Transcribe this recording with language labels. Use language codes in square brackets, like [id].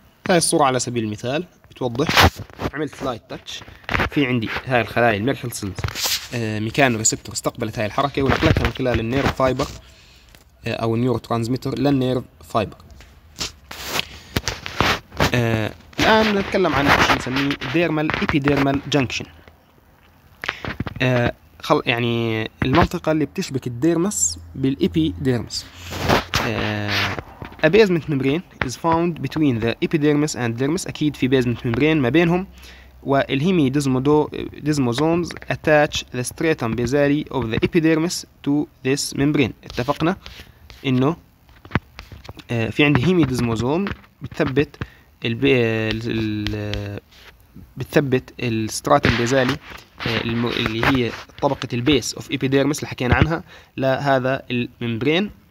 [ar] هاي الصورة على سبيل المثال بتوضح، عملت لايت تاتش، في عندي هاي الخلايا الميركل سيلز ميكانو ريسبتور استقبلت هاي الحركة ونقلتها من خلال النيرف فايبر او النيورو ترانزميتر للنيرف فايبر. الان نتكلم عن شيء نسميه ديرمال ايبيديرمال جنكشن. يعني المنطقة اللي بتشبك الديرمس بالإبيديرمس. [en] A basement membrane is found between the epidermis and dermis. [ar] أكيد في basement membrane ما بينهم. [en] والهيمي desmosomes attach the stratum basali of the epidermis to this membrane. [ar] اتفقنا إنه في عندي هيمي ديزموزوم بتثبت الستراتم بيزالي اللي هي طبقة البيس of epidermis اللي حكينا عنها لهذا الممبرين.